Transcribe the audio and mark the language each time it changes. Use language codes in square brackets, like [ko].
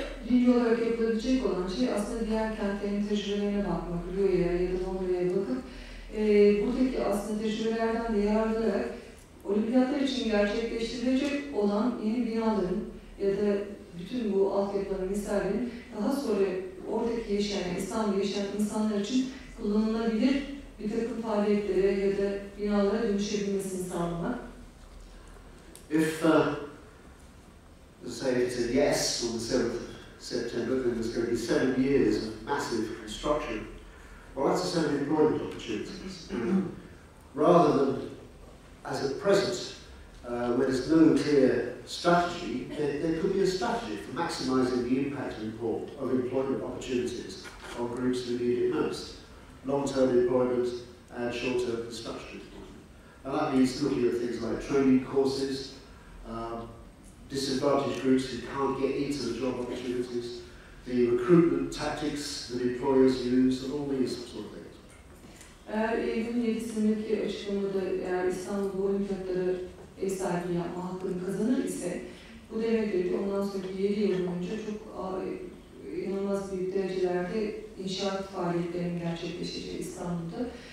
[tr] Dünya olarak yapılabilecek olan şey aslında diğer kentlerin tecrübelerine bakmak, Rio'ya ya da Londra'ya bakıp buradaki aslında tecrübelerden de yararlanarak olimpiyatlar için gerçekleştirilecek olan yeni binaların ya da bütün bu altyapıların misalinin daha sonra oradaki yaşayan, İstanbul'da yaşayan insanlar için kullanılabilir bir takım faaliyetlere ya da binalara dönüşebilmesini sağlamak. [en] If say it's a yes on the 7th of September, then there's going to be 7 years of massive construction. Well, that's a 7 employment opportunities. Rather than, as at present, when there's no clear strategy, there could be a strategy for maximising the impact and import of employment opportunities on groups who need it most, long-term employment and short-term construction. And that means looking at things like training courses, disadvantaged groups who can't get into the job opportunities, the recruitment tactics that employers use, and all these sort of things. [tr] Eğer Eylül 7'sindeki açıklamada eğer İstanbul bu olimpiyatları ev sahibi yapma hakkını kazanır ise bu demektir ki ondan sonraki 7 yıl boyunca çok inanılmaz büyük derecelerde inşaat faaliyetlerinin gerçekleşeceği İstanbul'da.